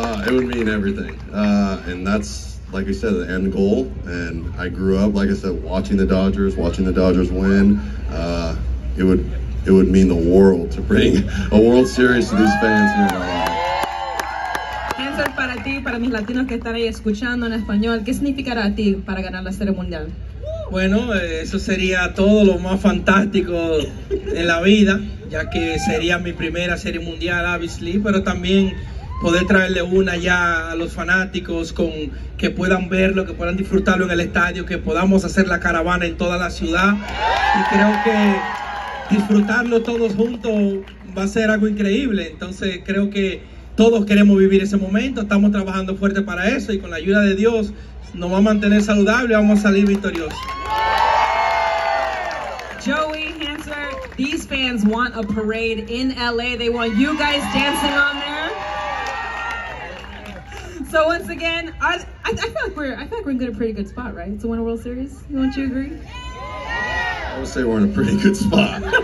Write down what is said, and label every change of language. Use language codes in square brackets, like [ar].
[en] It would mean everything. And that's, like I said, the end goal. And I grew up, like I said, watching the Dodgers win. It would mean the world to bring a World Series to these fans here in LA. [es] Hanser, para ti, para mis latinos que están ahí escuchando en español, ¿qué significará a ti para ganar la Serie Mundial? Bueno, eso sería todo lo más fantástico en la vida, ya que sería mi primera serie mundial, [en] obviously, [es] pero también poder traerle una ya a los fanáticos con que puedan verlo, que puedan disfrutarlo en el estadio, que podamos hacer la caravana en toda la ciudad. Y creo que disfrutarlo todos juntos va a ser algo increíble. Entonces creo que todos queremos vivir ese momento, estamos trabajando fuerte para eso y con la ayuda de Dios nos va a mantener saludable y vamos a salir victoriosos. [en] Joey, Hanser, these fans want a parade in LA. They want you guys dancing on there. So once again, I feel like we're in a pretty good spot, right? To win a World Series, don't you agree? I would say we're in a pretty good spot.